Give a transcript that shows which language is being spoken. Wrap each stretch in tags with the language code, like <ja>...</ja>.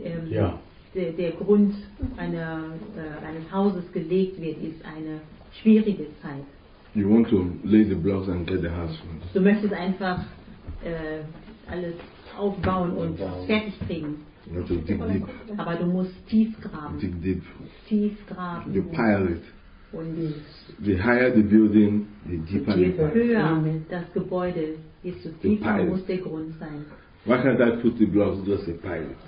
<de>Die Zeit, in der der Grund eines Hauses gelegt wird, ist eine schwierige Zeit.</de> <en>You want to lay the blocks and get the house finished.</en> <de>Du möchtest einfach alles aufbauen und fertig kriegen.</de> <en>Also dig deep.</en> <de>Aber du musst tief graben.</de> <en>Dig deep.</en> <de>Tief graben.</de> <en>You pile it.</en> <de>Und</de> <en>the higher the building, the deeper the pile.</en> <de>Je höher das Gebäude, desto tiefer muss der Grund sein.</de> <en>Why can't I put the blocks just a pile?</en>